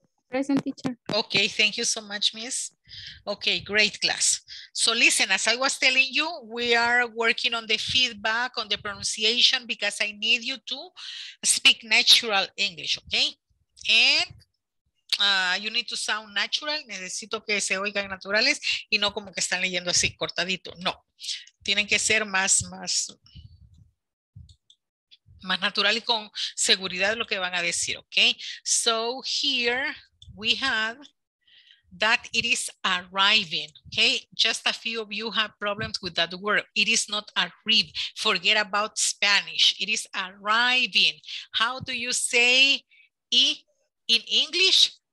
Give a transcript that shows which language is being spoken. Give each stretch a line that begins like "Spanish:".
English: Present, teacher. Okay, thank you so much, Miss. Okay, great class. So listen, as I was telling you, we are working on the feedback, on the pronunciation, because I need you to speak natural English, okay? And you need to sound natural.
Spanish: Necesito que se oigan naturales y no como que están leyendo así cortadito. No, tienen que ser más natural y con seguridad lo que van a decir, okay?
English: So here we have that it is arriving, okay? Just a few of you have problems with that word. It is not arrive. Forget about Spanish. It is arriving. How do you say it in English?